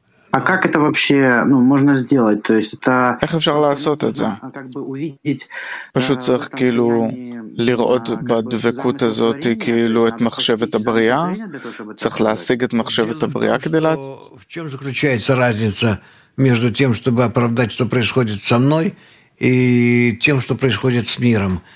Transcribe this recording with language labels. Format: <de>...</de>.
<ru>А как это вообще, ну, можно сделать? То есть это Как</ru> <he>אפשר לעשות את זה?</he> <ru>Как бы увидеть</ru> <he>פשוט צריך כאילו לראות בדבקות הזאת כאילו את מחשבת הבריאה. צריך להשיג את מחשבת הבריאה כדי</he> <ru>В чём заключается разница между тем, чтобы оправдать, что происходит со мной, и тем, что происходит с миром?</ru>